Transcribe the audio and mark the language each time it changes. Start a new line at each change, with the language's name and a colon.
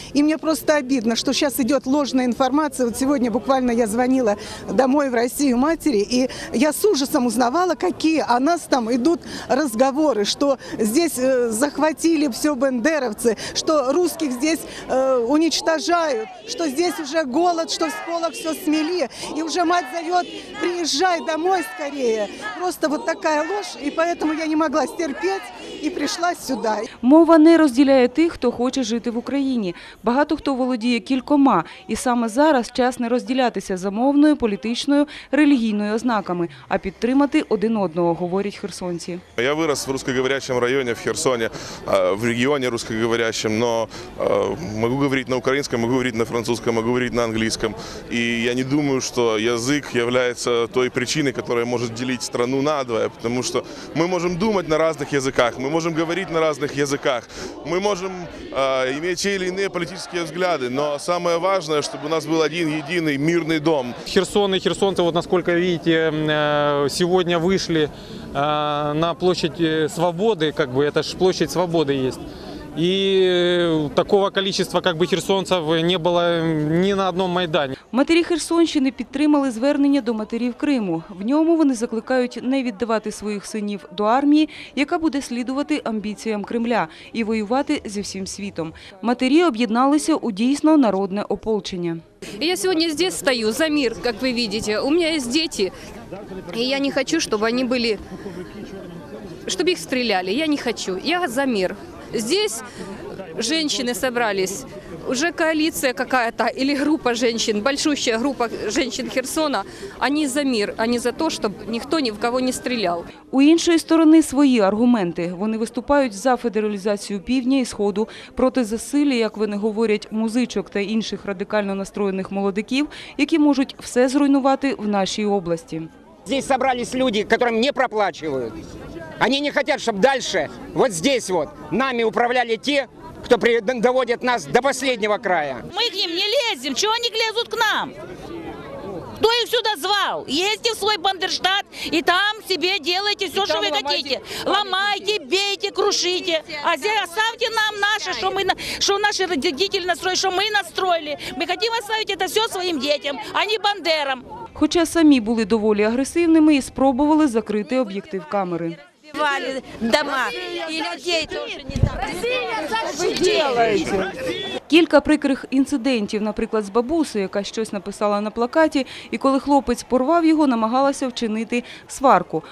Russian: И мне просто обидно, что сейчас идет ложная информация. Вот сегодня буквально я звонила домой в Россию матери, и я с ужасом узнавала, какие о нас там идут разговоры, что здесь захватили все бендеровцы, что русских здесь уничтожают, что здесь уже голод, что в школах все смели, и уже мать зовет: «Приезжай домой скорее». Просто вот такая ложь, і поэтому я не могла стерпеть
Ukrainian: і прийшла сюди. Мова не розділяє тих, хто хоче жити в Україні. Багато хто володіє кількома, і саме зараз час не розділятися за мовною, політичною, релігійною ознаками, а підтримати один одного, говорять херсонці. Я вирос в русскоговорящому районі, в Херсоні, в регіоні русскоговорящому, но можу говорити на українському, можу говорити на французькому, можу говорити на англійському. І я не думаю, що
Russian: язик является той причиной, которая может делить страну надвое, потому что мы можем думать на разных языках, мы можем говорить на разных языках, мы можем иметь те или иные политические взгляды, но самое важное, чтобы у нас был один единый мирный дом. Херсон и херсонцы, вот насколько видите, сегодня вышли на площадь Свободы, как бы это же площадь Свободы есть. И такого количества как бы херсонцев не было ни на одном Майдане.
Ukrainian: Матері Херсонщини підтримали звернення до матерів Криму. В ньому вони закликають не віддавати своїх синів до армії, яка буде слідувати амбіціям Кремля, і воювати зі всім світом. Матері об'єдналися у дійсно народне ополчення. Я сьогодні тут стою за мир, як ви бачите. У мене є діти, і я не хочу, щоб вони були, щоб їх стріляли. Я не хочу. Я за мир.
Russian: Здесь женщины собрались, уже коалиция какая-то или группа женщин, большущая группа женщин Херсона, они за мир, они за то, чтобы никто ни в кого не стрелял.
Ukrainian: У іншої сторони свої аргументи. Вони виступають за федералізацію півдня і сходу, проти засилля, як вони говорять, музичок та інших радикально настроєних молодиків, які можуть все зруйнувати в нашій області.
Russian: Здесь собрались люди, которым не проплачивают. Они не хотят, чтобы дальше вот здесь вот нами управляли те, кто доводит нас до последнего края. Мы к ним не лезем. Чего они лезут к нам? Кто их сюда звал? Ездите в свой Бандерштат и там себе делайте все, что вы хотите. Ломайте, бейте, крушите. А здесь оставьте нам наше, что мы, что наши родители настроили, что мы настроили. Мы хотим оставить это все своим детям, а не бандерам.
Ukrainian: Хоча самі були доволі агресивними і спробували закрити об'єктив камери. Вали дома і людей теж не так. Росія,
Russian: защити!
Ukrainian: Кілька прикрих інцидентів, наприклад, з бабусею, яка щось написала на плакаті, і коли хлопець порвав його, намагалася вчинити сварку.